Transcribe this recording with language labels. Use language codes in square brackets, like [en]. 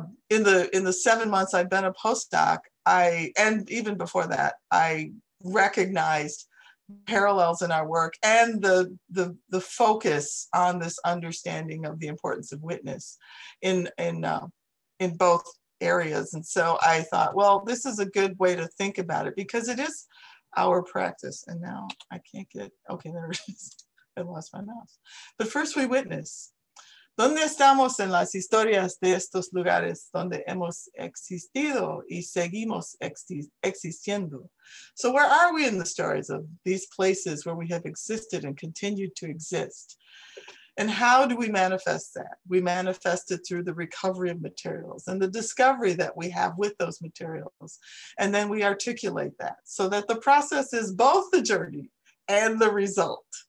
[en] in the 7 months I've been a postdoc, I recognized parallels in our work and the focus on this understanding of the importance of witness in both areas. And so I thought, well, this is a good way to think about it because it is our practice. And now I can't get, okay, there it is. I lost my mouse. But first we witness. [es] ¿Dónde estamos en las historias de estos lugares donde hemos existido y seguimos existiendo? [en] So where are we in the stories of these places where we have existed and continued to exist? And how do we manifest that? We manifest it through the recovery of materials and the discovery that we have with those materials. And then we articulate that so that the process is both the journey and the result.